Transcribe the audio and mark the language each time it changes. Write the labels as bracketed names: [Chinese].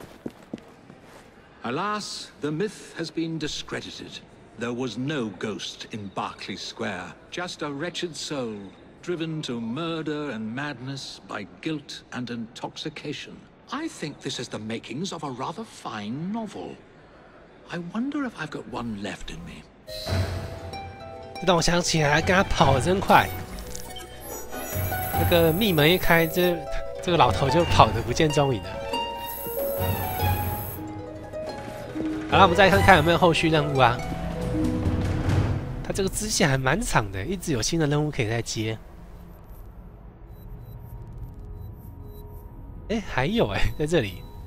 [Chinese] 这个小小的栏杆跨不过去吗？一定要乖乖走楼梯。 [English] Alas, the myth has been discredited. There was no ghost in Berkeley Square, just a wretched soul driven to murder and madness by guilt and intoxication. I think this is the makings of a rather fine novel. I wonder if I've got one left in me. [Chinese] 这让我想起来，刚刚跑真快。那个密门一开，这个老头就跑得不见踪影了。好了，我们再看看有没有后续任务啊。他这个支线还蛮长的，一直有新的任务可以再接。哎，还有哎，在这里。